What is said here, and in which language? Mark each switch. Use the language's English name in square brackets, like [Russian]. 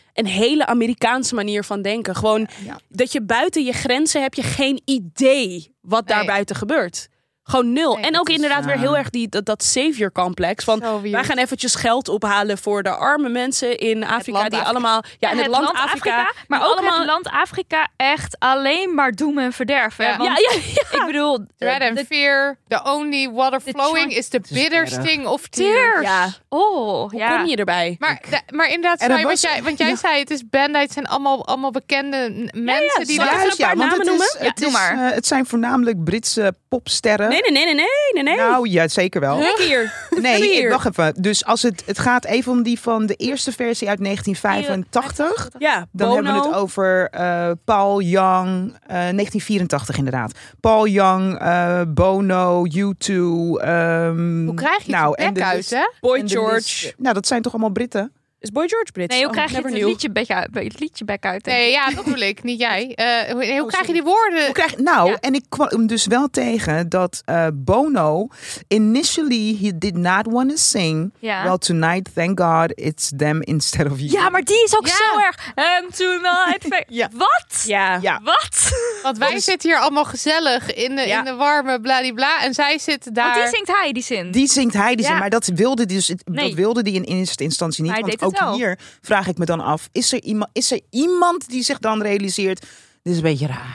[Dutch] Een hele Amerikaanse manier van denken. Gewoon dat je buiten je grenzen heb je geen idee wat daar buiten gebeurt. Gewoon nul. Nee, en ook inderdaad weer heel erg dat savior complex. Van wij gaan eventjes geld ophalen voor de arme mensen in Afrika. Die allemaal. Ja, en het land Afrika. Maar ook allemaal... het land Afrika echt alleen maar doem en verderf. Ja. Want, ik bedoel. [English] Dread and fear. The only water flowing is the bitter sting of tears. [Dutch] Ja. Oh, ja. Hoe kom je erbij? Maar inderdaad, want jij zei het is Band-Aid en allemaal bekende mensen die daar een paar namen noemen. Het zijn voornamelijk Britse popsterren. Nee. Nou ja, zeker wel. Huh? Hier. Nee, we hier. Wacht even. Dus als het gaat even om die van de eerste versie uit 1985. Ja, dan hebben we het over Paul Young, 1984 inderdaad. Paul Young, Bono, U2. Hoe krijg je nou, het bek uit, hè? Boy George. Nou, dat zijn toch allemaal Britten? Is Boy George Brits? Nee, hoe krijg je het liedje back uit? Nee, ja, dat bedoel ik. Niet jij. Hoe krijg je die woorden? En ik kwam hem dus wel tegen dat Bono... [English] Initially, he did not want to sing. Yeah. Well, tonight, thank God, it's them instead of you. [Dutch] Ja, maar die is ook zo erg. [English] And tonight, [Dutch] wat? Ja. Ja. Wat? Want wij zitten hier allemaal gezellig in de, in de warme bladibla. En zij zit daar... Want die zingt hij die zin. Maar dat wilde die, dus, dat wilde die in eerste instantie niet. Want ook hier vraag ik me dan af, is er iemand die zich dan realiseert, dit is een beetje raar.